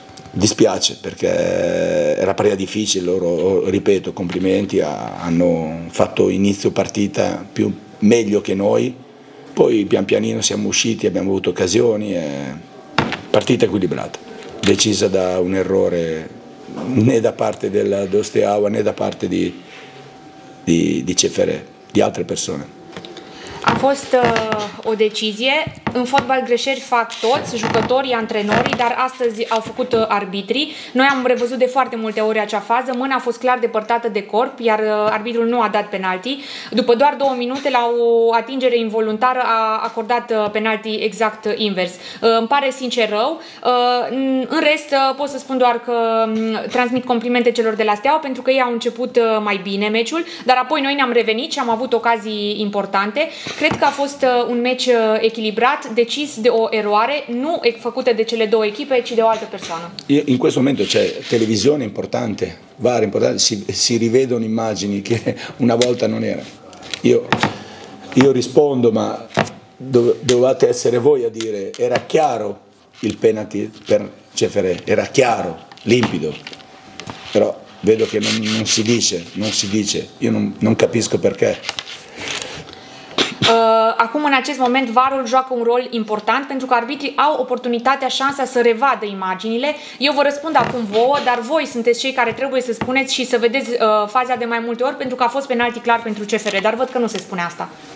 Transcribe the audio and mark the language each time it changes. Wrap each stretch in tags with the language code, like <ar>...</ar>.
<it>Dispiace perché era partita difficile, loro, ripeto, complimenti, hanno fatto inizio partita più, meglio che noi, poi pian pianino siamo usciti, abbiamo avuto occasioni, e partita equilibrata. Decisa da un errore né da parte della Dosteawa né da parte di Ceferé, di altre persone.</it> <ro>A fost o decizie. În fotbal greșeli fac toți, jucătorii, antrenorii, dar astăzi au făcut arbitrii. Noi am revăzut de foarte multe ori acea fază. Mâna a fost clar depărtată de corp, iar arbitrul nu a dat penalti. După doar două minute, la o atingere involuntară, a acordat penalti exact invers. Îmi pare sincer rău. În rest, pot să spun doar că transmit complimente celor de la Steaua, pentru că ei au început mai bine meciul, dar apoi noi ne-am revenit și am avut ocazii importante. Cred că a fost un meci echilibrat, decis de o eroare, nu făcută de cele două echipe, ci de o altă persoană.</ro> <it>In questo momento c'è televisione importante, VAR importante, si rivedono immagini che una volta non era. Io rispondo, ma dovevate essere voi a dire, era chiaro il penalty per Ceferé, era chiaro, limpido, però vedo che non si dice, non si dice, io non capisco perché.</it> <ro>Acum, în acest moment, VAR-ul joacă un rol important pentru că arbitrii au oportunitatea, șansa să revadă imaginile. Eu vă răspund acum vouă, dar voi sunteți cei care trebuie să spuneți și să vedeți faza de mai multe ori, pentru că a fost penalti clar pentru CFR, dar văd că nu se spune asta.</ro>